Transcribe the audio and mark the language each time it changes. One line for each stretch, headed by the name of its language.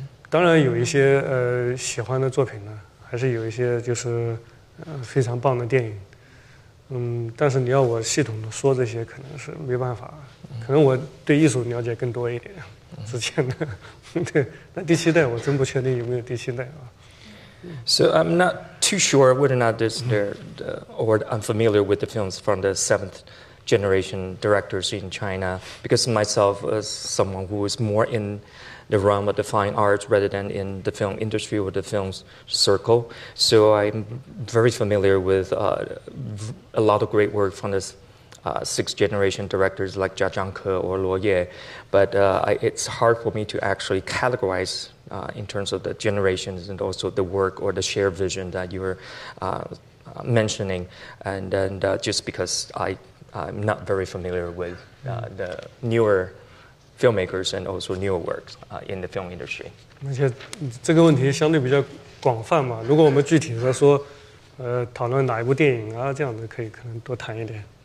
Chinese: 当然有一些喜欢的作品呢，还是有一些就是。非常棒的电影。但是你要我系统的说这些可能是没办法，可能我对艺术了解更多一点之前的。对，那第七代我真不确定有没有第七代啊。
English: So I'm not too sure whether or not this, or I'm familiar with the films from the seventh generation directors in China, because myself as someone who is more in the realm of the fine arts rather than in the film industry or the film circle. So I'm very familiar with a lot of great work from the sixth generation directors like Jia Zhangke or Luo Ye, but it's hard for me to actually categorize in terms of the generations and also the work or the shared vision that you're mentioning, and just because I'm not very familiar with the newer filmmakers and also newer works in the film industry.
Chinese: 而且这个问题相对比较广泛嘛，如果我们具体的说，讨论哪一部电影啊，这样子可以可能多谈一点。